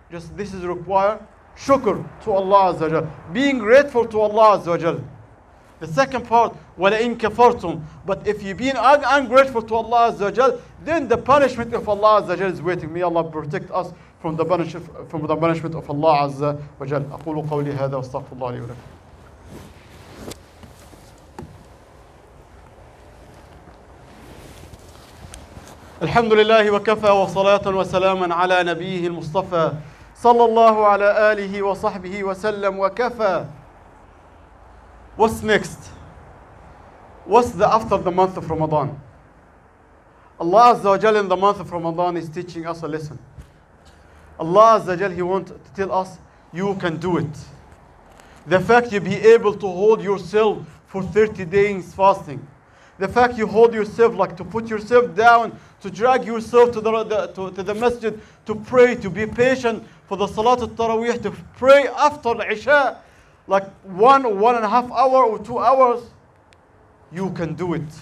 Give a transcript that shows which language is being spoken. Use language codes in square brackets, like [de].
[en] Just this is required. Shukr to Allah Azza wa Jal. Being grateful to Allah Azza wa Jal. The second part, وَلَئِن كَفَرْتُمْ. But if you're being ungrateful to Allah Azza wa Jal, then the punishment of Allah Azza wa Jal is waiting. May Allah protect us from the punishment of Allah Azza wa Jal. [ar] أقول قولي هذا واستغفر الله لي ولكم. الحمد لله وكفى وصلاة وسلاما على نبيه المصطفى صلى الله على آله وصحبه وسلم وكفى. [en] What's next? What's the after the month of Ramadan? Allah Azza wa Jal in the month of Ramadan is teaching us a lesson. Allah Azza wa Jal, he wants to tell us, you can do it. The fact you be able to hold yourself for 30 days fasting, the fact you hold yourself, like, to put yourself down, to drag yourself to the masjid, to pray, to be patient for the Salat al-Taraweeh, to pray after Isha, like 1.5 hours or 2 hours, you can do it.